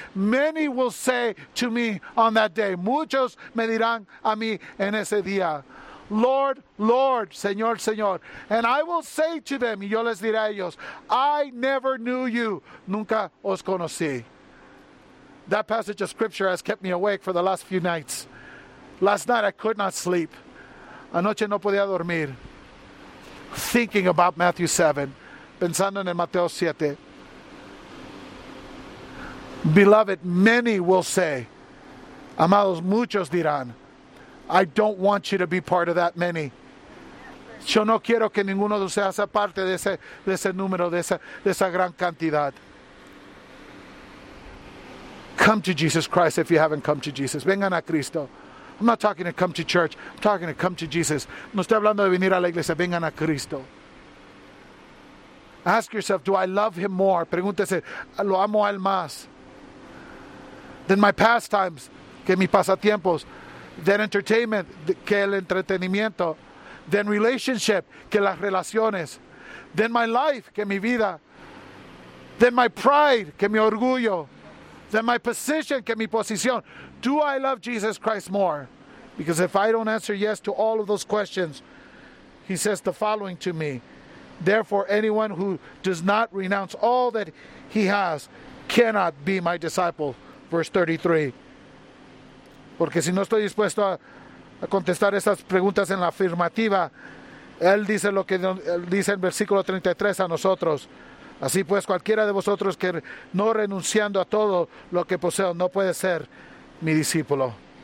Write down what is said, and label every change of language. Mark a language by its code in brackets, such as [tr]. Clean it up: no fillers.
[en] Many will say to me on that day. [es] Muchos me dirán a mí en ese día. [en] Lord, Lord, [es] Señor, Señor. [en] And I will say to them, [es] y yo les diré a ellos, [en] I never knew you. [es] Nunca os conocí. [en] That passage of scripture has kept me awake for the last few nights. Last night I could not sleep. [es] Anoche no podía dormir. [en] Thinking about Matthew 7. [es] Pensando en Mateo 7. [en] Beloved, many will say. [es] Amados, muchos dirán. [en] I don't want you to be part of that many. [es] Yo no quiero que ninguno de ustedes sea parte de ese número, de esa gran cantidad. [en] Come to Jesus Christ if you haven't come to Jesus. [es] Vengan a Cristo. [en] I'm not talking to come to church. I'm talking to come to Jesus. [es] No estoy hablando de venir a la iglesia. Vengan a Cristo. [en] Ask yourself, do I love him more? [es] Pregúntese, ¿lo amo a él más? [en] Than my pastimes, [es] que mis pasatiempos. [en] Than entertainment, [es] que el entretenimiento. [en] Than relationship, [es] que las relaciones. [en] Than my life, [es] que mi vida. [en] Than my pride, [es] que mi orgullo. [en] Than my position, [es] que mi posición. [en] Do I love Jesus Christ more? Because if I don't answer yes to all of those questions, he says the following to me. Therefore, anyone who does not renounce all that he has cannot be my disciple. Verse 33. [es] Porque si no estoy dispuesto a contestar estas preguntas en la afirmativa, él dice lo que dice en versículo 33 a nosotros. Así pues, cualquiera de vosotros que no renunciando a todo lo que poseo no puede ser mi discípulo.